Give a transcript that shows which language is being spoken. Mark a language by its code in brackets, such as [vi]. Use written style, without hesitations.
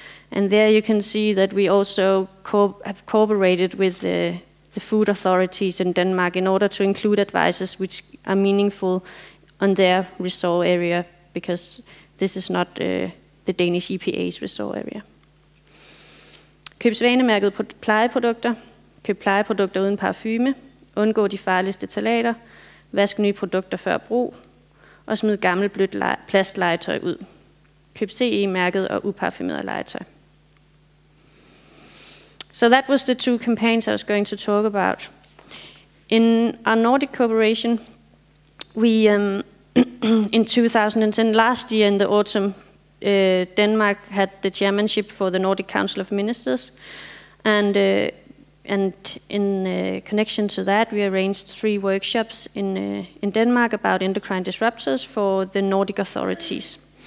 [en] And there you can see that we also have cooperated with the food authorities in Denmark in order to include advices which are meaningful on their resort area, because this is not the Danish EPA's resort area. [da] Køb svanemærket plejeprodukter. Køb plejeprodukter uden parfume. Undgå de farligste ftalater. Vask nye produkter før brug. Og smid gammelt blødt plastlegetøj ud. Køb CE-mærket og uparfumeret legetøj. [en] So that was the 2 campaigns I was going to talk about. In our Nordic cooperation, we in 2010, last year in the autumn, Denmark had the chairmanship for the Nordic Council of Ministers, and in connection to that, we arranged 3 workshops in Denmark about endocrine disruptors for the Nordic authorities.